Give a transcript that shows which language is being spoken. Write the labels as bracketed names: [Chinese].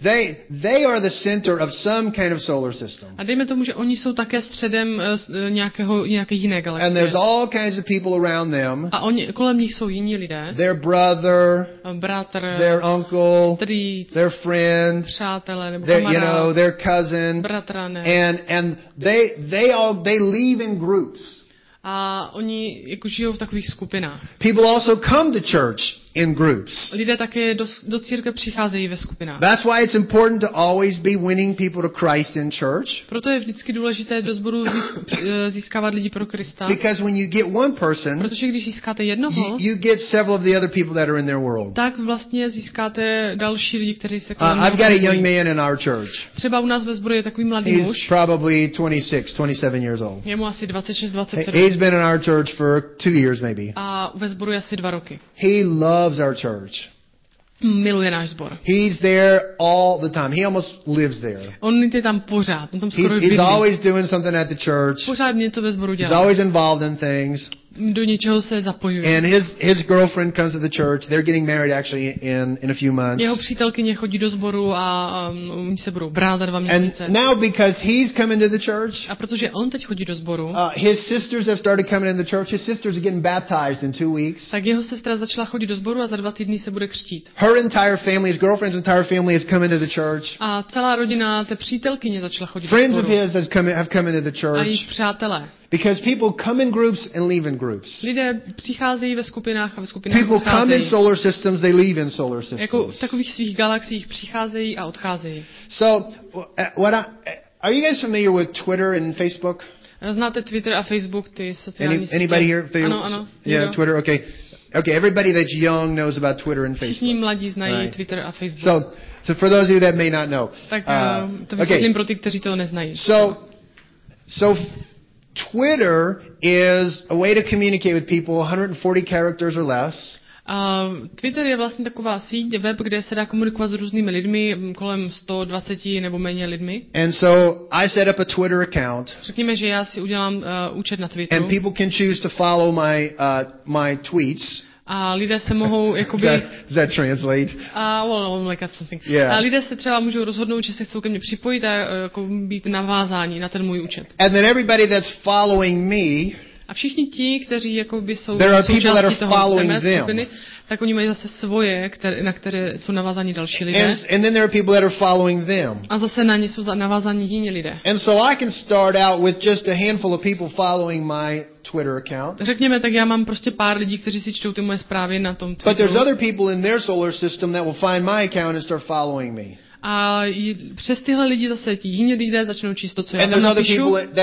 [English] They are the center of some kind of solar system. [Czech] A dejme tomu, že oni jsou také středem nějaké jiné galaxie. [English] And there's all kinds of people around them. [Czech] A oni kolem nich jsou jiní lidé. [English] Their brother. [Czech] Bratr. [English] Their uncle. [Czech] Strýc. [English] Their friend. [Czech] Přátelé nebo kamarád. [English] You know, their cousin. [Czech] Bratranec. [English] And they leave in groups. [Czech] A oni jako žijou v takových skupinách. [English] People also come to church in groups. [Czech] Lidé také do církve přicházejí ve skupinách. [English] That's why it's important to always be winning people to Christ in church. [Czech] Proto je vždycky důležité do sboru získávat lidi pro Krista. [English] Because when you get one person, [Czech] protože když získáte jednoho, [English] you get several of the other people that are in their world. [Czech] Tak vlastně získáte další lidi, kteří se k vám [English] I've got a young man in our church. [Czech] Třeba u nás ve sboru je takový mladý [English] He's [Czech] muž. [English] He's probably 26, 27 years old. [Czech] Je mu asi 26, 27. [English] He's been in our church for 2 years maybe. [Czech] A ve sboru asi 2 roky. [English] He loves our church. [Czech] Miluje náš sbor. [English] He's there all the time. He almost lives there. [Czech] On je tam pořád. On tam skoro bydlí. [English] He's always doing something at the church. [Czech] Pořád něco ve sboru dělá. [English] He's always involved in things. [Czech] Do něčeho se zapojuje. [English] And his girlfriend comes to the church. They're getting married actually in a few months. [Czech] Jeho přítelkyně chodí do sboru a oni se budou brát za 2 měsíce. [English] And now because he's coming to the church. [Czech] A protože on teď chodí do sboru. [English] His sisters have started coming in the church. His sisters are getting baptized in 2 weeks. [Czech] Tak jeho sestra začala chodit do sboru a za 2 týdny se bude křtít. [English] Her entire family, his girlfriend's entire family has come into the church. [Czech] A celá rodina té přítelkyně začala chodit [English] Friends [Czech] do sboru. [English] Friends of his have come into the church. [Czech] A jejich přátelé. [English] Because people come in groups and leave in groups. [Czech] Lidé přicházejí ve skupinách a ve skupinách odcházejí. [English] People come in solar systems, they leave in solar systems. [Czech] Jako v takových svých galaxiích přicházejí a odcházejí. [English] So, what are you guys familiar with Twitter and Facebook? [Czech] Znáte Twitter a Facebook, ty sociální sítě? [English] Anybody here? [Czech] Ano, ano. [English] Yeah, Twitter, okay. Okay, everybody that's young knows about Twitter and Facebook. [Czech] Všichni mladí znají right. Twitter a Facebook. [English] So for those of you that may not know. [Czech] Tak to vysvětlím okay. Pro ty, kteří to neznají. [English] So Twitter is a way to communicate with people 140 characters or less. [Czech] Twitter je vlastně taková síť, web, kde se dá komunikovat s různými lidmi, kolem 120 nebo méně lidmi. [English] And so I set up a Twitter account. [Czech] Řekněme, že já si udělám účet na Twitteru. [English] And people can choose to follow my my tweets. [Czech] A lidé se mohou jakoby [English] does that translate? [Czech] A lidé se třeba můžou rozhodnout, že se chcou ke mně připojit a jako být navázáni na ten můj účet. [English] And then everybody that's following me. [Czech] A všichni ti, kteří jakoby jsou součástí toho skupiny, tak oni mají zase svoje, na které jsou navázáni další lidé. [English] And then there are people that are following them. [Czech] A zase na ně jsou navázáni jiní lidé. [English] And so I can start out with just a handful of people following my Twitter account. [Czech] Řekněme, tak já mám prostě pár lidí, kteří si čtou ty moje zprávy na tom Twitteru. [English] But there's other people in their solar system that will find my account and start following me. [Czech] A přes tyhle lidi zase ti jiní lidé začnou číst to, co já napíšu.